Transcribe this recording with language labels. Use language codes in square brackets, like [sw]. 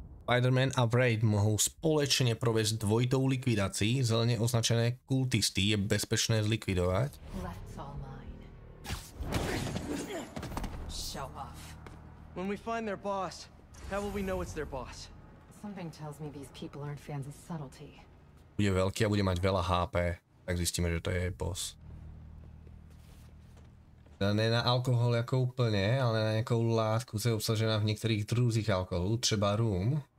[cs] Spider-Man a Raid mohou společně provést dvojitou likvidací. Zeleně označené kultisty je bezpečné zlikvidovat. [en] Show off. When we find their boss, how will we know it's their boss? Something tells me these people aren't fans of subtlety. [sk] Bude velký a bude mať veľa HP, tak zistíme, že to je jej boss. [cs] Ne na alkohol jako úplně, ale na nějakou látku, co je obsažená v některých druzích alkoholů, třeba rum.